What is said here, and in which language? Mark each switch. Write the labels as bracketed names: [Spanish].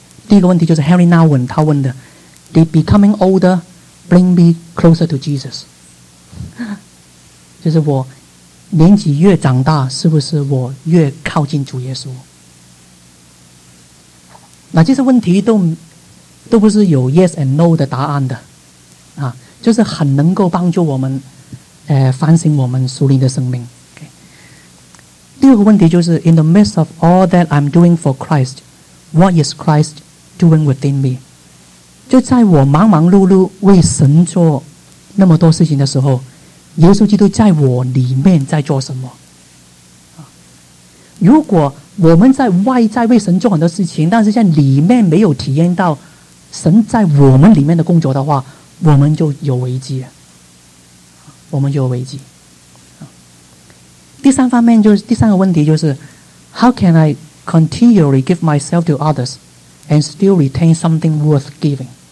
[Chinese] 第一个问题就是 Harry Nowen 他问的 [English] Did becoming older bring me closer to Jesus， [Chinese] 就是我年纪越长大是不是我越靠近主耶稣。那这些问题都不是有 [English] yes and no [Chinese] 的答案的啊，就是很能够帮助我们反省我们属灵的生命。第二个问题就是 [English] In the midst of all that I'm doing for Christ, what is Christ doing within me? [Chinese] 就在我忙忙碌碌为神做那么多事情的时候，耶稣基督在我里面在做什么？如果我们在外在为神做很多事情，但是在里面没有体验到神在我们里面的工作的话，我们就有危机了。我们就有危机。第三方面就是第三个问题就是 [English] How can I continually give myself to others and still retain something worth giving?